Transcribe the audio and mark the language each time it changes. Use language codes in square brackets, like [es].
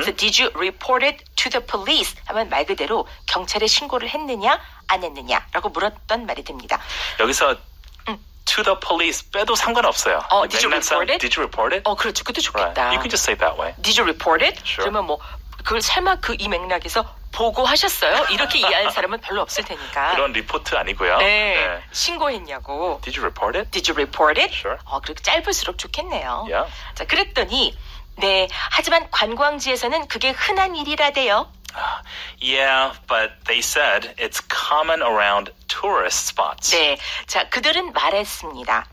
[en] So did you report it to the police? [ko] 하면 말 그대로 경찰에 신고를 했느냐, 안 했느냐 라고 물었던 말이 됩니다. 여기서 to the police 빼도 상관없어요. [en] Did you report sound? it? Did you report it? [ko] 그렇죠. 그것도 좋겠다. [en] Right. You can just say that way. Did you report it? Sure. [ko] 그러면 뭐 그걸 설마 그 이 맥락에서 보고하셨어요? 이렇게 이해할 사람은 별로 없을 테니까. 그런 리포트 아니고요. 네. 네. 신고했냐고. [en] Did you report it? Did you report it? Sure. [ko] 그렇게 짧을수록 좋겠네요. [en] Yeah. [ko] 자, 그랬더니 네. 하지만 관광지에서는 그게 흔한 일이라대요. [en] Yeah, but they said it's common around tourist spots. [ko] 네, 자 그들은 말했습니다.